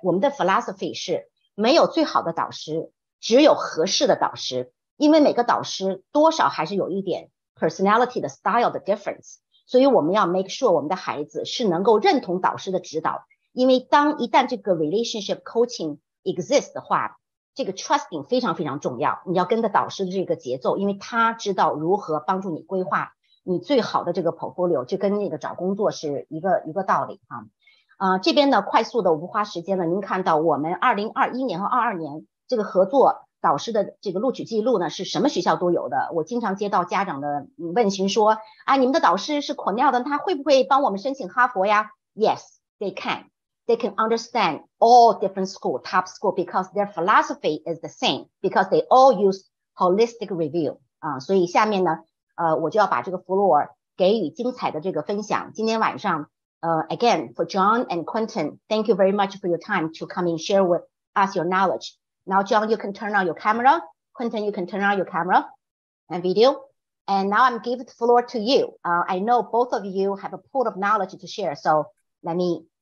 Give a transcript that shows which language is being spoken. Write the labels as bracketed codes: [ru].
[zh] 我们的 [en] philosophy [zh] 是没有最好的导师，只有合适的导师，因为每个导师多少还是有一点 [en] personality [zh] 的 [en] style [zh] 的 [en] difference， [zh] 所以我们要 [en] make sure [zh] 我们的孩子是能够认同导师的指导，因为当一旦这个 [en] relationship coaching exists [zh] 的话，这个 [en] trusting [zh] 非常非常重要，你要跟着导师的这个节奏，因为他知道如何帮助你规划你最好的这个 [en] portfolio， [zh] 就跟那个找工作是一个道理啊。这边呢快速的我不花时间了，您看到我们2021年和22年这个合作导师的这个录取记录呢是什么学校都有的。我经常接到家长的问询说啊，你们的导师是 Cornell 的，他会不会帮我们申请哈佛呀？ [en] Yes, they can. They can understand all different school, top school, because their philosophy is the same, because they all use holistic review. [zh] 所以下面呢我就要把这个 [en] floor [zh] 给予精彩的这个分享。今天晚上 [en] again, for John and Quenton, thank you very much for your time to come and share with us your knowledge. Now, John, you can turn on your camera. Quenton, you can turn on your camera and video. And now I'm giving the floor to you. I know both of you have a pool of knowledge to share, so let me...